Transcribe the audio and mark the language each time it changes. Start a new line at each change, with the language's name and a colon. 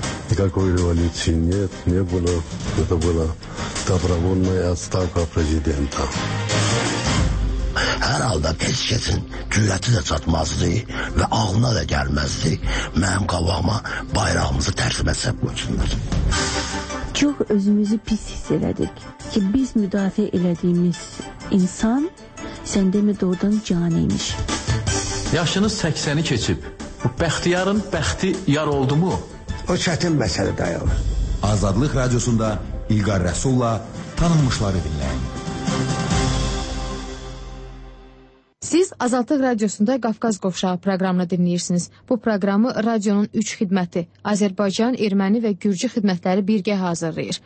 Russian: Никакой революции нет, не было, это была добровольная отставка президента.
Azerbaijani: Hər halda heç kəsin cürəti də çatmazdı və ağına da gəlməzdi mənim qabağıma bayrağımızı tərsim etsək bu üçünlər. Çox özümüzü pis hiss elədik ki, biz müdafiə elədiyimiz insan sən demə doğudan canıymış. Yaşınız 80-i keçib. Bu bəxtiyarın bəxti yar oldu mu? O çətin məsələ dayalı. Azadlıq radiosunda İlqar Rəsulla tanınmışları dinləyin. Siz Azadlıq Radiosunda Qafqaz Qovşağı proqramını dinləyirsiniz. Bu proqramı radionun 3 xidməti, Azərbaycan, Erməni və Gürcü xidmətləri birgə hazırlayır.